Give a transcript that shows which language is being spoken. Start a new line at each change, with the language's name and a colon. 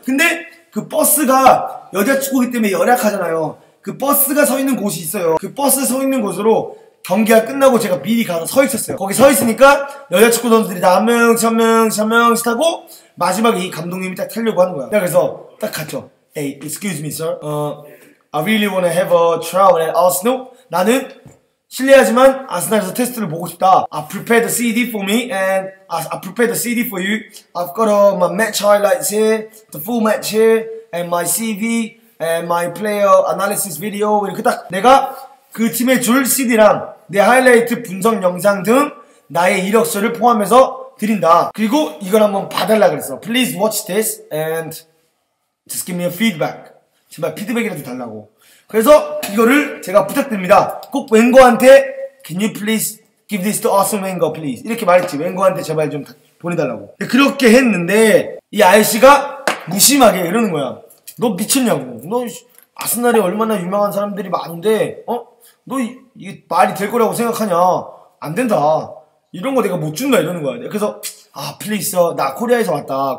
Korean: 근데 그 버스가 여자축구기 때문에 열악하잖아요. 그 버스가 서 있는 곳이 있어요. 그 버스 서 있는 곳으로 경기가 끝나고 제가 미리 가서 서 있었어요. 거기 서 있으니까 여자축구 선수들이 다 한 명씩 타고 마지막에 이 감독님이 딱 타려고 하는 거야. 내가 그래서 딱 갔죠.
English: Hey, excuse me, sir. I really wanna have a trial at Arsenal.
Korean: 나는 실례하지만 아스날에서 테스트를 보고 싶다.
English: I prepared a CD for me and I prepared a CD for you. I've got all my match highlights here, the full match here, and my CV and my player analysis video.
Korean: 이렇게 딱 내가 그 팀에 줄 CD랑 내 하이라이트 분석 영상 등 나의 이력서를 포함해서 드린다. 그리고 이걸 한번 봐달라 그랬어.
English: Please watch this and just give me a feedback.
Korean: 제발 피드백이라도 달라고. 그래서 이거를 제가 부탁드립니다. 꼭 웬거한테
English: Can you please give this to Arsene Wenger please?
Korean: 이렇게 말했지. 웬거한테 제발 좀 보내달라고. 그렇게 했는데 이 아저씨가 무심하게 이러는 거야. 너 미쳤냐고. 너 아스날에 얼마나 유명한 사람들이 많은데 어? 너 이게 말이 될 거라고 생각하냐? 안 된다. 이런 거 내가 못 준다 이러는 거야. 그래서 아 플리즈 어, 나 코리아에서 왔다.